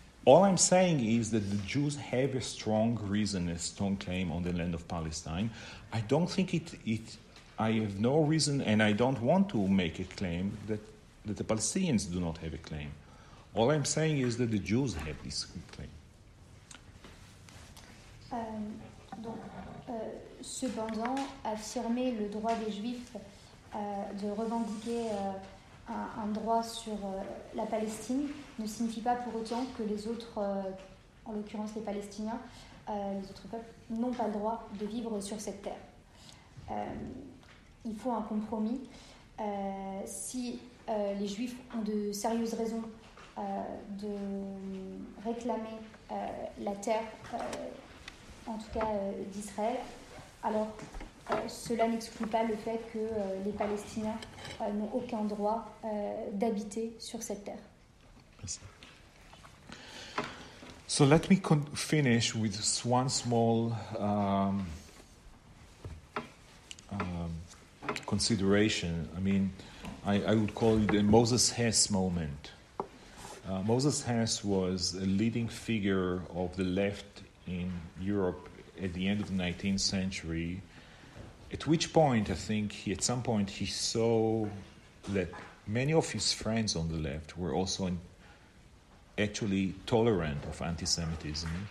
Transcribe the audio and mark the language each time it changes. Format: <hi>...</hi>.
<en>all I'm saying is that the Jews have a strong reason, a strong claim on the land of Palestine. I don't think I have no reason, and I don't want to make a claim that the Palestinians do not have a claim. All I'm saying is that the Jews have this claim.</en> <fr>Cependant, affirmer le droit des Juifs de revendiquer un droit sur la Palestine ne signifie pas pour autant que les autres, en l'occurrence les Palestiniens, les autres peuples, n'ont pas le droit de vivre sur cette terre. Il faut un compromis. Si les Juifs ont de sérieuses raisons de réclamer la terre, en tout cas d'Israël, alors cela n'exclut pas le fait que les Palestiniens n'ont aucun droit d'habiter sur cette terre. Merci.</fr> <en>So let me finish with one small consideration. I mean, I would call it the Moses Hess moment. Moses Hess was a leading figure of the left in Europe at the end of the 19th century, at which point, I think, he saw that many of his friends on the left were also actually tolerant of anti-Semitism.</en>